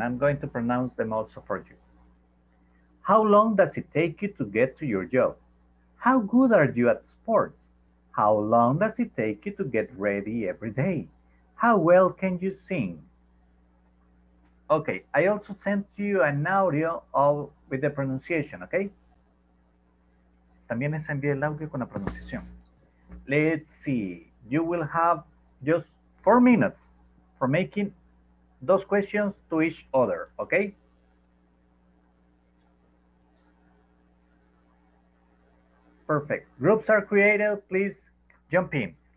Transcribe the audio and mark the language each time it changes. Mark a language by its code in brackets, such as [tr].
[en] I'm going to pronounce them also for you. How long does it take you to get to your job? How good are you at sports? How long does it take you to get ready every day? How well can you sing? Okay, I also sent you an audio of with the pronunciation, okay? [es] También les envié el audio con la pronunciación. [en] Let's see. You will have just 4 minutes for making those questions to each other, okay? Perfect. Groups are created. Please jump in.